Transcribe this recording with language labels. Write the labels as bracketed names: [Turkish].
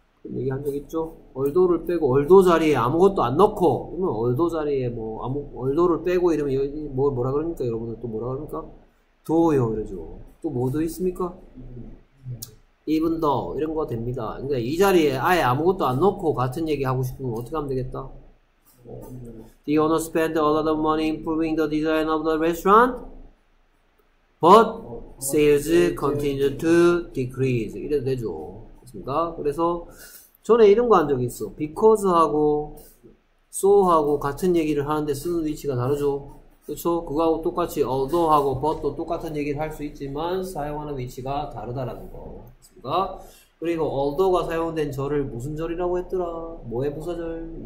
[Korean] 얘기한 적 있죠? although를 빼고, although 자리에 아무것도 안 넣고, 그러면 although 자리에 뭐, although를 빼고 이러면, 여기 뭐, 뭐라 그러니까, 여러분들 또 뭐라 그러니까? 도요, 이러죠. 또 뭐도 있습니까? even though, 이런 거 됩니다. 그러니까 이 자리에 아예 아무것도 안 넣고 같은 얘기 하고 싶으면 어떻게 하면 되겠다? [English] The owner spent a lot of money improving the design of the restaurant, but sales continued to decrease. [Korean] 이래도 되죠. 그렇습니까? 그래서, 전에 이런 거한적 있어. Because하고, so하고 같은 얘기를 하는데 쓰는 위치가 다르죠. 그쵸? 그거하고 똑같이, although하고 but도 똑같은 얘기를 할수 있지만, 사용하는 위치가 다르다라는 거. 그렇습니까? 그리고 although가 사용된 절을 무슨 절이라고 했더라? 뭐의 부사절?